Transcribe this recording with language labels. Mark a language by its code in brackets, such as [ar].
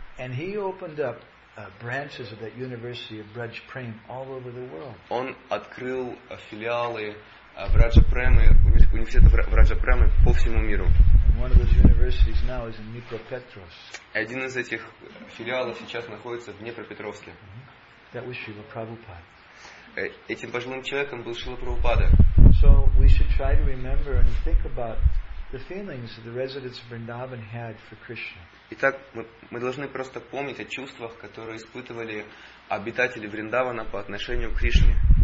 [en] And he opened up branches of that university of Braj Prem all over the world. [ru] Он открыл филиалы Враджа Премы, университета Враджа Премы по всему миру. [en] And one of those universities now is in Dnipropetrovsk. [ru] Один из этих филиалов сейчас находится в Днепропетровске. [en] That was Srila Prabhupada. [ru] Этим пожилым человеком был Шрила Прабхупада. [en] So we should try to remember and think about the feelings that the residents of Vrindavan had for Krishna. [ru] Итак, мы должны просто помнить о чувствах, которые испытывали обитатели Вриндавана по отношению к Кришне.